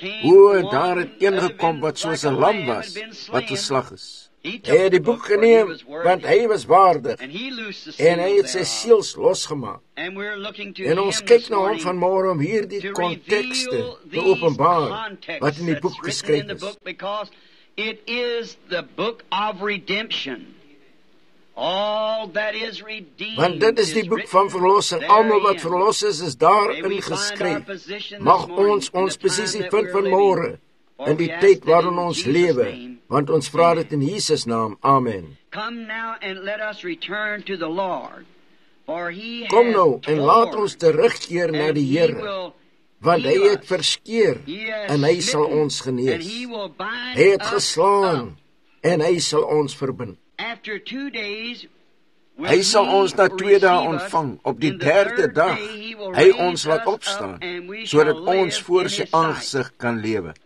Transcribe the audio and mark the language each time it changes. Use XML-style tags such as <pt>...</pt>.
<af>O, daar het een gekom wat soos een lam was, wat geslag is. Hy het die boek geneem, want hy was waardig, en hy het sy siels losgemaak. En ons kyk na hom vanmorgen om hier die kontekste te openbaar, wat in die boek geskryf is.</af> <en>It is the book of redemption. All that is redeemed.</en> <af>Want dit is die boek van verlossing. Almal wat verlos is, is daarin geskryf. Mag ons ons posisie vind vanmorgen in die tyd waarin ons lewe, want ons vra dit in Jesus naam. Amen.</af> <en>Come now and let us return to the Lord.</en> <af>Kom nou en laat ons terugkeer na die Here. Want hy het verskeer, en hy sal ons genees. Hy het geslaan, en hy sal ons verbind. Hy sal ons na 2 dae ontvang, op die 3de dag, hy ons laat opstaan, sodat ons voor sy aangesig kan lewe.</af>